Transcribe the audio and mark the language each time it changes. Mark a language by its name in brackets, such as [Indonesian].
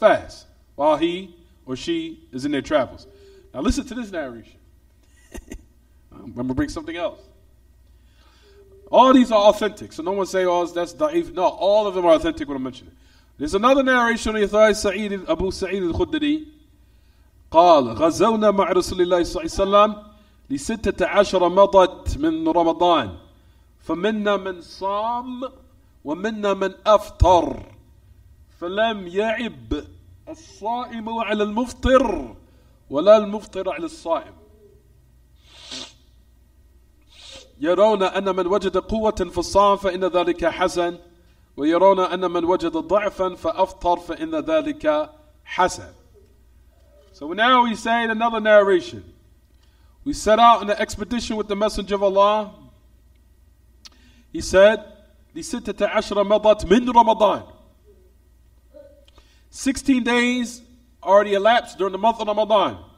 [English] Fast while he or she is in their travels. Now listen to this narration. I'm going to bring something else. All these are authentic. So no one say, oh, that's da'if. No, all of them are authentic when I mention it. There's another narration of Abu Sa'id al-Khudri. [Arabic] قال غزونا مع رسول الله صلى الله عليه وسلم لستة عشر مضت من رمضان فمنا من صام ومنا من أفطر فلم يعب الصائم على المفطر ولا المفطر على الصائم يرون أن من وجد قوة فصام فإن ذلك حسن ويرون أن من وجد ضعفا فأفطر فإن ذلك حسن. [English] So now we say in another narration, we set out on an expedition with the Messenger of Allah. He said, [Arabic] لِسِتَّةَ عَشْرَ مَضَتْ مِنْ رَمَضَانِ [English] 16 days already elapsed during the month of Ramadan.